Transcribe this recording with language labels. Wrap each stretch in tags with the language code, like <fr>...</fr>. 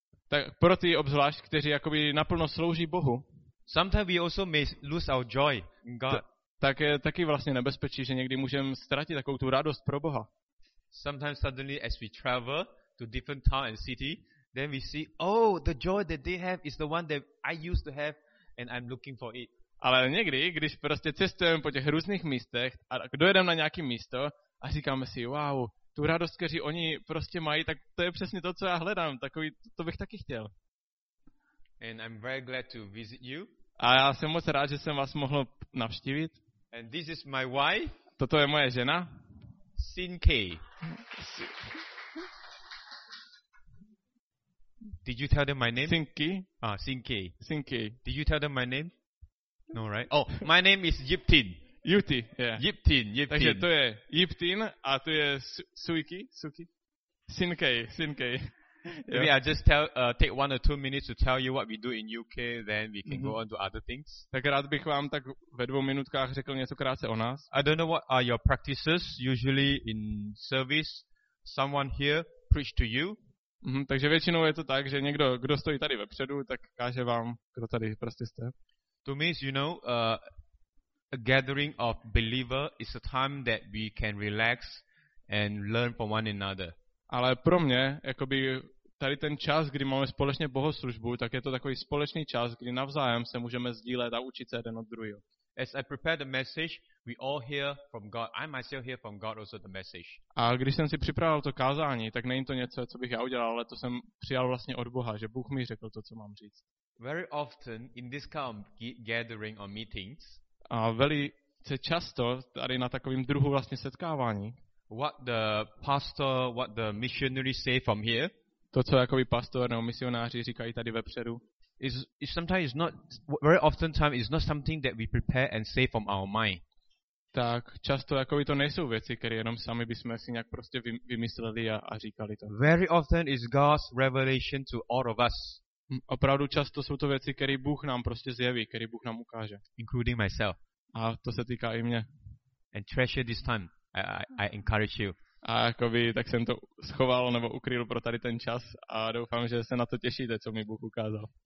<cs>Tak pro ty obzvlášť, kteří jakoby naplno slouží Bohu.</cs> <en>Sometimes we also may lose our joy in God.</en> <cs>Tak je taky vlastně nebezpečí, že někdy můžeme ztratit takovou tu radost pro Boha.</cs> <en>Sometimes suddenly as we travel to different town and city, then we see, oh, the joy that they have is the one that I used to have and I'm looking for it.</en> <cs>Ale někdy, když prostě cestujeme po těch různých místech a dojedeme na nějaké místo a říkáme si, wow, tu radost, kteří oni prostě mají, tak to je přesně to, co já hledám. Takový, to bych taky chtěl.</cs> <en>And I'm very glad to visit you.</en> <cs>A já jsem moc rád, že jsem vás mohl navštívit.</cs> <en>And this is my wife.</en> <cs>Toto je moje žena.</cs> <en>Sin Kay. Did you tell them my name? Sinky. Ah, Sinky. Sinky. Did you tell them my name? No, right? Oh, my name is Yiptin. Yuti, yeah. Yiptin.</en> <cs>Takže to je Yiptin, a to je Suki.</cs> <en>Sinky. Maybe I'll just take 1 or 2 minutes to tell you what we do in UK, then we can go on to other things.</en> <cs>Tak rád bych vám tak ve dvou minutkách řekl něco krátce o nás.</cs> <en>I don't know what are your practices usually in service. Someone here preach to you.</en> <cs>Mm-hmm, takže většinou je to tak, že někdo, kdo stojí tady vepředu, tak káže vám, kdo tady prostě jste.</cs> <en>To me, you know, a gathering of believers is a time that we can relax and learn from one another.</en> <cs>Ale pro mě, jakoby tady ten čas, kdy máme společně bohoslužbu, tak je to takový společný čas, kdy navzájem se můžeme sdílet a učit se jeden od druhého.</cs> <en>As I prepare the message, we all hear from God. I myself hear from God also the message.</en> <cs>A když jsem si připravil to kázání, tak není to něco, co bych já udělal, ale to jsem přijal vlastně od Boha, že Bůh mi řekl to, co mám říct.</cs> <en>Very often in this kind of gathering or meetings.</en> <cs>A velice často tady na takovým druhu vlastně setkávání.</cs> <en>What the pastor, what the missionary say from here?</en> <cs>To, co jakoby pastor nebo misionáři říkají tady vepředu.</cs> <en>Is sometimes not very often time is not something that we prepare and say from our mind.</en> <cs>Tak často jakoby to nejsou věci, které jenom sami bychom si nějak prostě vymysleli a říkali to.</cs> <en>Very often is God's revelation to all of us.</en> <cs>Opravdu často jsou to věci, které Bůh nám prostě zjeví, které Bůh nám ukáže.</cs> <en>Including myself.</en> <cs>A to se týká i mě.</cs> <en>And treasure this time. I encourage you.</en> <cs>A jakoby tak jsem to schoval nebo ukryl pro tady ten čas a doufám, že se na to těšíte, co mi Bůh ukázal.</cs>